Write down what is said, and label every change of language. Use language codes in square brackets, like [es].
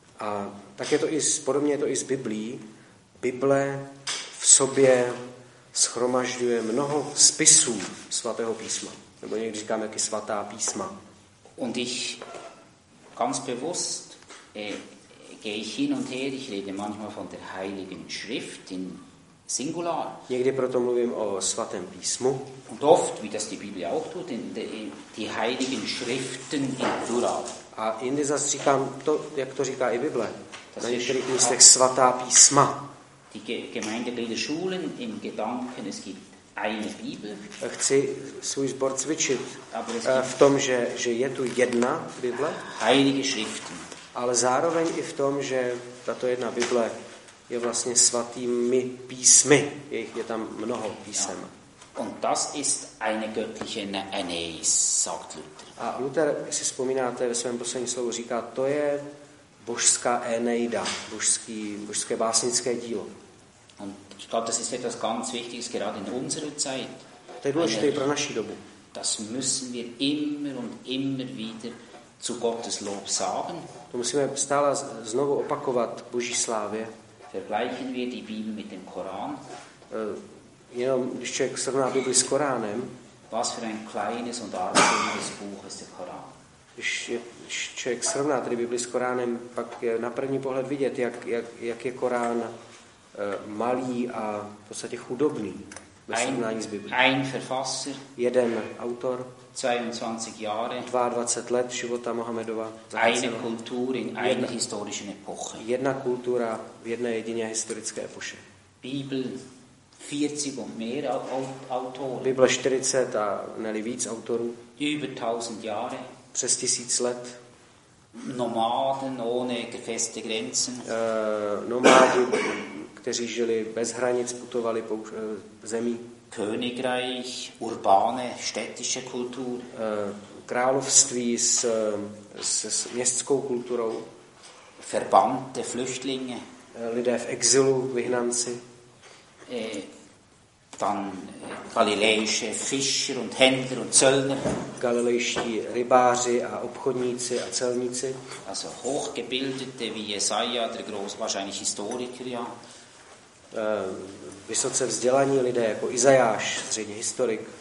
[cs] A tak je to i podobně je to i z Biblií. Bible v sobě shromažďuje mnoho spisů svatého písma. Nebo někdy říkáme, jak i svatá písma. [de] Und ich ganz bewusst gehe ich hin und her, ich rede manchmal von der Heiligen Schrift in singular. [cs] Někdy proto mluvím o svatém písmu. [de] Und oft, wie das die Bibel auch tut, die heiligen Schriften im Plural. [cs] A jindy zas říkám to, jak to říká i Bible. Na některých místech svatá písma. [de] Die Gemeinde bildet Schulen im Gedanken, es gibt eine Bibel. [cs] Chci svůj sbor cvičit v tom, že je tu jedna Bible. [de] Heilige Schriften. [cs] Ale zároveň i v tom, že tato jedna Bible je vlastně svatými písmy. Je tam mnoho písem. Ja. [de] Und das ist eine göttliche Aeneis, sagt Luther. [cs] A Luther, si vzpomínáte, ve svém posledním slovu říká, to je božská Aeneida, božské básnické dílo. [de] Und ich glaube, das ist etwas ganz Wichtiges, gerade in unserer Zeit. [cs] To je důležité pro naši dobu. [de] Das müssen wir immer und immer wieder zu Gottes Lob sagen. [cs] To musíme stále znovu opakovat Boží slávě. [de] Vergleichen wir die Bibel mit dem Koran. [cs] Jenom když člověk srovná Bibli s Koránem. [de] Was für ein kleines und armseliges Buch ist der Koran. [cs] Když člověk srovná tedy Bibli s Koránem, pak je na první pohled vidět, jak je Korán malý a v podstatě chudobný. [de] Ein Verfasser, [cs] jeden autor, [de] 22 Jahre, [cs] 22 let života Mohamedova, [de] eine Kultur in einer historischen Epoche. [cs] Jedna kultura v jedné jedině historické epoše. [de] Bibel 40 und mehr Autoren. [cs] Bible 40 a neli víc autorů. [de] Über 1000 Jahre. [cs] Přes 1000 let. [de] Nomaden ohne feste Grenzen. [cs] Nomádi, kteří žili bez hranic, putovali po zemí. [de] Königreich, urbane, städtische Kultur. [cs] Království s městskou kulturou. [de] Verbannte Flüchtlinge. [cs] Lidé v exilu, vyhnanci. [de] Dann galiläische Fischer und Händler und Zöllner. [cs] Galiläische Rybáři a obchodníci a celníci. [de] Also hochgebildete wie Jesaja, der Groß, wahrscheinlich Historiker, ja. [cs] Vysoce vzdělaní lidé jako Izajáš, zřejmě historik.